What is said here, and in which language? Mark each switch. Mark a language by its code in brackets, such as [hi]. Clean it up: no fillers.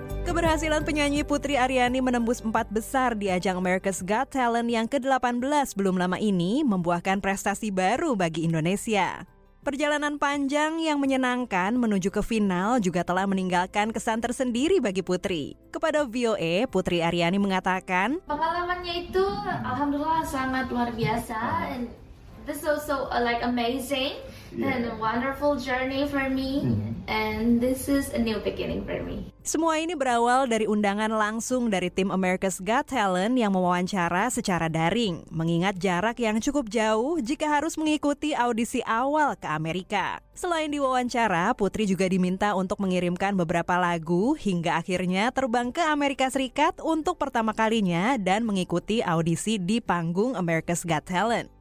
[id] Keberhasilan penyanyi Putri Aryani menembus empat besar di ajang America's Got Talent yang ke-18 belum lama ini membuahkan prestasi baru bagi Indonesia. Perjalanan panjang yang menyenangkan menuju ke final juga telah meninggalkan kesan tersendiri bagi Putri. Kepada VOA, Putri Aryani mengatakan, pengalamannya itu alhamdulillah sangat luar biasa. [en] And this is also like amazing and a wonderful journey for me. And this is a new beginning for me. [id] Semua ini berawal dari undangan langsung dari tim America's Got Talent yang mewawancara secara daring, mengingat jarak yang cukup jauh jika harus mengikuti audisi awal ke Amerika. Selain diwawancara, Putri juga diminta untuk mengirimkan beberapa lagu hingga akhirnya terbang ke Amerika Serikat untuk pertama kalinya dan mengikuti audisi di panggung America's Got Talent.